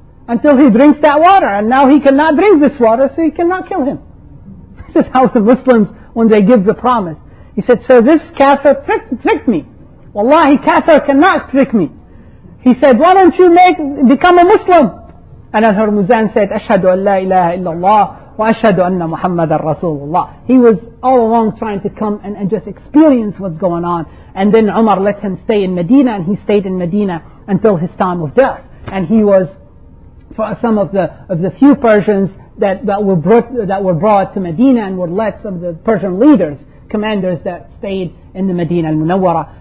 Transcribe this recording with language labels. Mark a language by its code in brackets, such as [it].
[en] Until he drinks that water. And now he cannot drink this water, so he cannot kill him. This is how the Muslims, when they give the promise. He said, so this kafir tricked me. Wallahi, kafir cannot trick me. He said, why don't you become a Muslim? And Al-Hurmuzan said, [ar] أَشْهَدُ أَنْ لَا إِلَهَ إِلَّا اللَّهِ وَأَشْهَدُ أَنَّ مُحَمَّدًا رَسُولُ اللَّهِ. [en] He was all along trying to come and just experience what's going on. And then Umar let him stay in Medina, and he stayed in Medina until his time of death. And he was for some of the few Persians that were brought to Medina and were led, some of the Persian leaders, commanders that stayed in the Medina al-Munawwara.